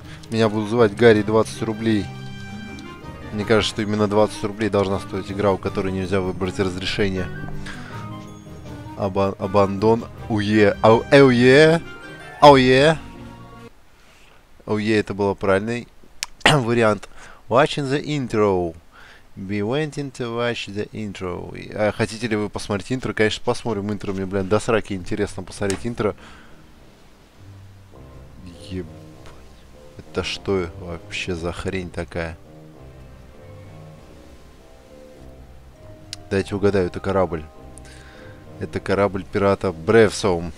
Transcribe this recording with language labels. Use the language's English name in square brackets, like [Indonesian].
[Russian] Меня будут звать Гарри, 20 рублей. Мне кажется, что именно 20 рублей должна стоить игра, у которой нельзя выбрать разрешение. Абандон. Уе. Ауе. Ауе. Ауе, это был правильный вариант. [English] Watching the intro. We went in to watch the intro. [Russian] А хотите ли вы посмотреть интро? Конечно, посмотрим интро. Мне, блин, до сраки интересно посмотреть интро. Это что вообще за хрень такая? Дайте угадаю, это корабль. Это корабль пирата Бревсоум.